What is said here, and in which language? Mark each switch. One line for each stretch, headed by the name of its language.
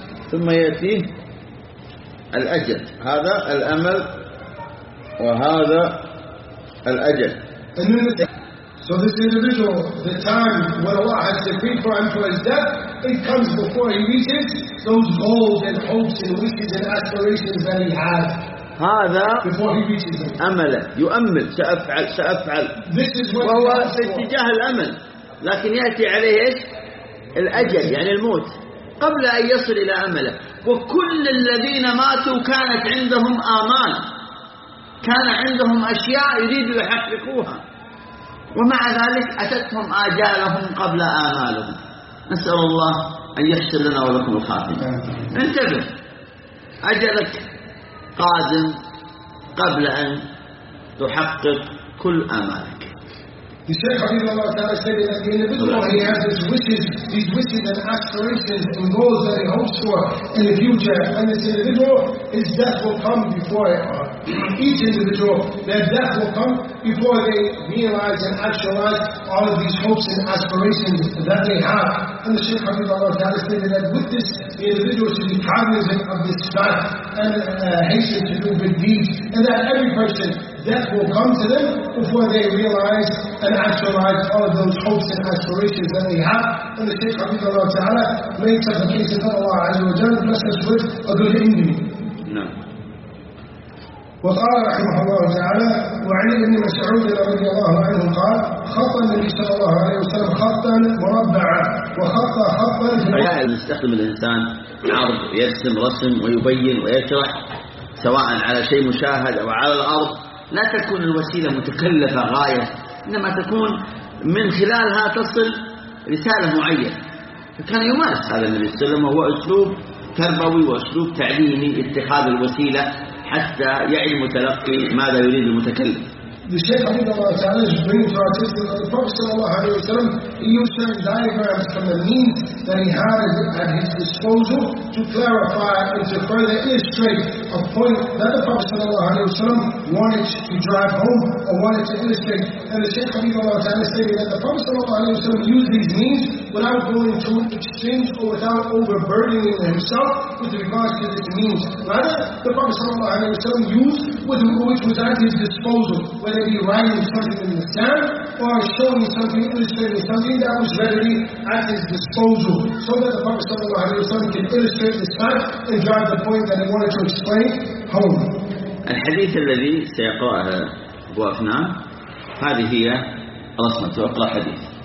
Arabic: ثم يأتي الأجل. هذا الأمل وهذا الأجل.
English: So this individual, the time when Allah has decreed for him for his death, it comes before he reaches those goals and hopes and wishes and aspirations that he has.
Arabic: هذا
English: before he reaches them.
Arabic: أمل يؤمل سأفعل سأفعل.
English: This is what
Arabic: وهو في اتجاه الأمل لكن يأتي عليه الأجل يعني الموت قبل أن يصل إلى أمله. وكل الذين ماتوا كانت عندهم آمال كان عندهم أشياء يريدوا يحققوها ومع ذلك أتتهم آجالهم قبل آمالهم. نسأل الله أن يحسن لنا ولكم الخاتمة. انتبه أجلك قادم قبل أن تحقق كل آمالك.
English: The Shaykh Habibullah Ta'ala stated that the individual, he has his wishes and aspirations and goals that he hopes for in the future. And this individual, his death will come before each individual. Their death will come before they realize and actualize all of these hopes and aspirations that they have. And the Shaykh Habibullah Ta'ala stated that with this, the individual should be cognizant of this fact and hasten to do good deeds. And that every person, death will come to them before they realize and actualize all of those hopes and aspirations that they have. And the Shaykh Habibullah Ta'ala made such a case of Allah Azza wa Jalla bless us with a good ending. No.
Arabic: وقال رحمه الله تعالى وعن ابن مسعود رضي الله عنه قال خط النبي صلى الله عليه وسلم خطا مربعا وخط خطا في الحياة. يستخدم الإنسان عرض يرسم رسم ويبين ويشرح سواء على شيء مشاهد أو على الأرض. لا تكون الوسيلة متكلفة غاية إنما تكون من خلالها تصل رسالة معينة. فكان يمارس هذا النبي صلى الله عليه وسلم وهو أسلوب تربوي وأسلوب تعليمي اتخاذ الوسيلة حتى يعي المتلقي ماذا يريد المتكلم.
English: The Shaykh Habibullah Ta'ala is bringing to our attention that the Prophet sallallahu alayhi wa sallam, he used certain diagrams from the means that he had at his disposal to clarify and to further illustrate a point that the Prophet ﷺ wanted to drive home or wanted to illustrate. And the Shaykh Habibullah Ta'ala stated that the Prophet ﷺ used these means without going to extremes or without overburdening himself with regards to these means. Rather, the Prophet ﷺ used with which was at his disposal, whether it be writing something in the sand or showing something, illustrating something that was readily at his disposal, so that the Prophet ﷺ can illustrate this fact and drive the point that he wanted to explain home. And hadith
Arabic: الذي سيقرأه أبو أفنان هذه هي رسمة وقرأ حديث.